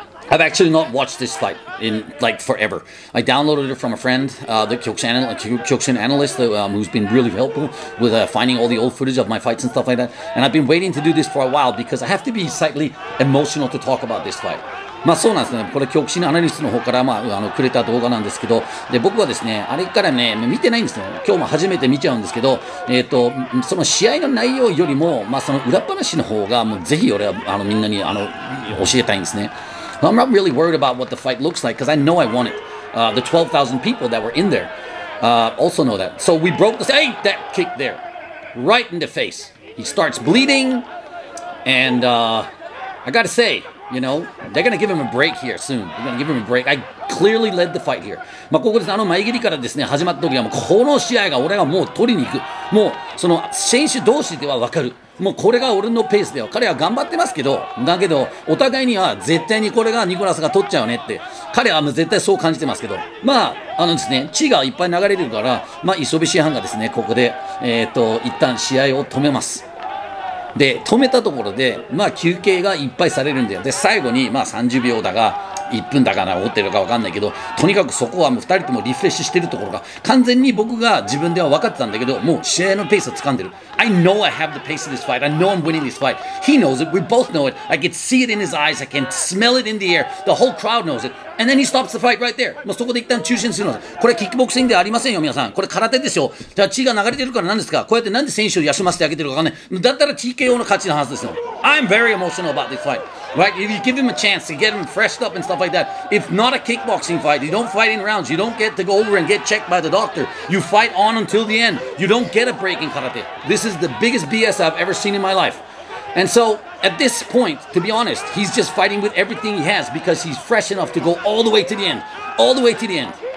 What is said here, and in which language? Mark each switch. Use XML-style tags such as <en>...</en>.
<en>I've actually not watched this fight in like forever. I downloaded it from a friend, the Kyokushin analyst, who's been really helpful with finding all the old footage of my fights and stuff like that. And I've been waiting to do this for a while because I have to be slightly emotional to talk about this fight.</en> <ja>まあそうなんですね。これ、教育心アナリストの方から、まあ、くれた動画なんですけど、で、僕はですね、あれからね、見てないんですよ。今日も初めて見ちゃうんですけど、その試合の内容よりも、まあその裏話の方が、もうぜひ俺は、みんなに、教えたいんですね。</ja> <en>I'm not really worried about what the fight looks like, because I know I won it. The 12,000 people that were in there, also know that. So we broke the, hey, that kick there, right in the face. He starts bleeding, and, I gotta say,You know, they're gonna give him a break here soon. They're gonna give him a break. I clearly led the fight here.</en> <ja>まあ、ここです。前蹴りからですね、始まった時は、この試合が俺はもう取りに行く。もう、その、選手同士では分かる。もうこれが俺のペースだよ。彼は頑張ってますけど、だけどお互いには絶対にこれがニコラスが取っちゃうねって、彼はもう絶対そう感じてますけど、まあですね、血がいっぱい流れてるから、まあ磯部師範がですね、ここで一旦試合を止めます。で止めたところで、まあ休憩がいっぱいされるんだよ。で最後にまあ30秒だが1分だかな、怒ってるか分かんないけど、とにかくそこはもう2人ともリフレッシュしてるところが、完全に僕が自分では分かってたんだけど、もう試合のペースを掴んでる。</ja> <en>I know I have the pace of this fight. I know I'm winning this fight. He knows it. We both know it. I can see it in his eyes. I can smell it in the air. The whole crowd knows it. And then he stops the fight right there.</en> <ja>もうそこで一旦中心するの。これキックボクシングではありませんよ皆さん。これ空手ですよ。じゃあ血が流れてるからなんですか。こうやってなんで選手を休ませてあげてるか分かんない。だったら TKO の勝ちのはずですよ。</ja> <en>I'm very emotional about this fightRight, if you give him a chance to get him freshed up and stuff like that, if not a kickboxing fight, you don't fight in rounds, you don't get to go over and get checked by the doctor, you fight on until the end, you don't get a break in karate. This is the biggest BS I've ever seen in my life. And so, at this point, to be honest, he's just fighting with everything he has because he's fresh enough to go all the way to the end, all the way to the end.</en>